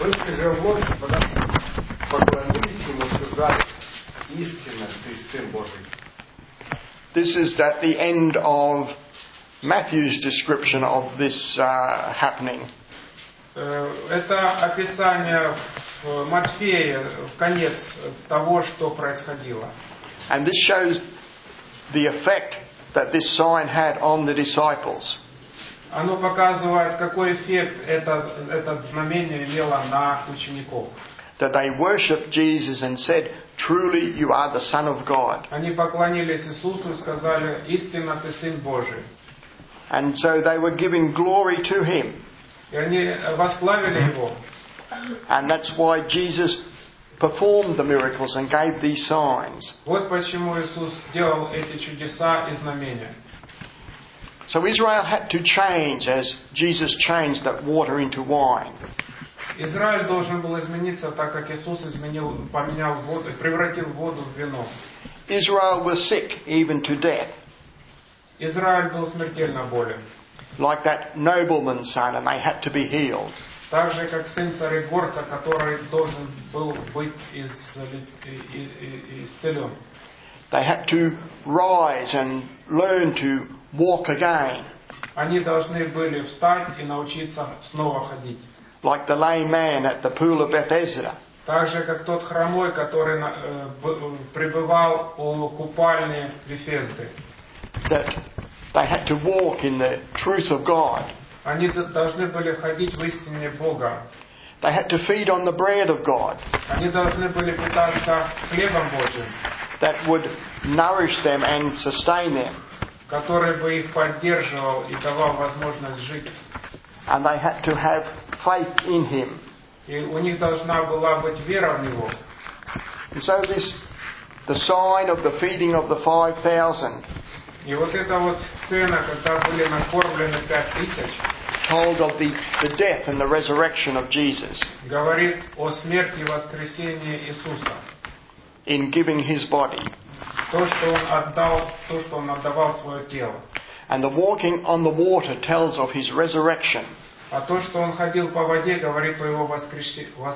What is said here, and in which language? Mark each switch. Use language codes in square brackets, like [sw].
[ru] Вы же вот поклонились ему, сказали: истинно ты сын Божий. [en] This is at the end of Matthew's description of this happening. [ru] Это описание в Матфея, в конец того, что происходило. [en] And this shows the effect that this sign had on the disciples. [ru] Оно показывает, какой эффект это знамение имело на учеников. [en] That they worshipped Jesus and said, "Truly, you are the Son of God." [ru] Они поклонились Иисусу и сказали: "Истинно ты сын Божий." [en] And so they were giving glory to him. [ru] И они восславили его. [en] And that's why Jesus performed the miracles and gave these signs. [ru] Вот почему Иисус делал эти чудеса и знамения. [en] So Israel had to change as Jesus changed that water into wine. [ru] Израиль должен был измениться, так как Иисус поменял воду, превратил воду в вино. [en] Israel was sick even to death. [ru] Израиль был смертельно болен. [en] Like that nobleman's son, and they had to be healed. [ru] Так же, как сын царегорца, который должен был быть исцелен. [en] They had to rise and learn to walk again. [ru] Они должны были встать и научиться снова ходить. [en] Like the lame man at the pool of Bethesda. [ru] Так же, как тот хромой, который пребывал у купальни Бефезды. [en] That they had to walk in the truth of God. [ru] Они должны были ходить в истине Бога. [en] They had to feed on the bread of God. [ru] Они должны были питаться хлебом Божьим. [en] That would nourish them and sustain them. [ru] Который бы их поддерживал и давал возможность жить. [en] And they had to have faith in him. [ru] И у них должна была быть вера в него. [en] And so this, the sign of the feeding of the 5,000. [ru] И вот эта вот сцена, когда были накормлены 5,000, [en] told of the death and the resurrection of Jesus. [ru] Говорит о смерти и воскресении Иисуса. [en] In giving his body. [ru] То, что он отдавал свое тело. [en] And the walking on the water tells of his resurrection. [ru] А то, что он ходил по воде, говорит о его воскресении.